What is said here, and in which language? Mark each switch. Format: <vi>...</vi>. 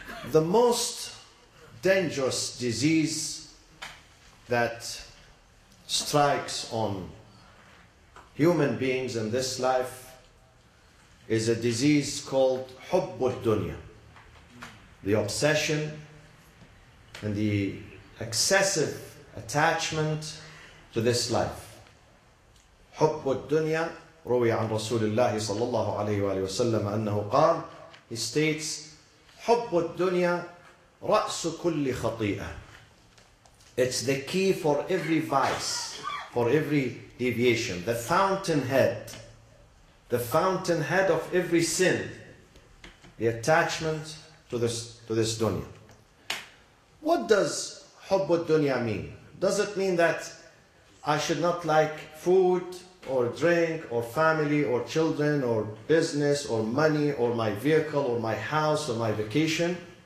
<en>The most dangerous disease that strikes on human beings in this life is a disease called حب الدنيا, the obsession and the excessive attachment to this life.</en> <ar>حب الدنيا روي عن رسول الله صلى الله عليه وآله وسلم أنه قال,</ar> <en>he states,</en> <ar>حب الدنيا رأس كل خطيئة.</ar> <en>It's the key for every vice, for every deviation. The fountainhead of every sin, the attachment to this dunya. What does حب الدنيا mean? Does it mean that I should not like food or drink or family or children or business or money or my vehicle or my house or my vacation?</en>